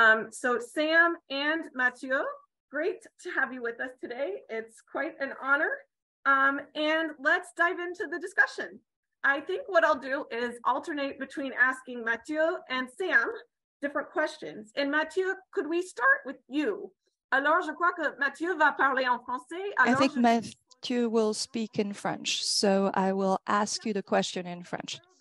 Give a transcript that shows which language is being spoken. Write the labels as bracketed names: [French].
[English] So Sam and Matthieu, great to have you with us today. It's quite an honor. And let's dive into the discussion. I think what I'll do is alternate between asking Matthieu and Sam different questions. And Matthieu, could we start with you? [French] Alors, je crois que Matthieu va parler en français. Alors, [English] I think Matthieu will speak in French, so I will ask you the question in French.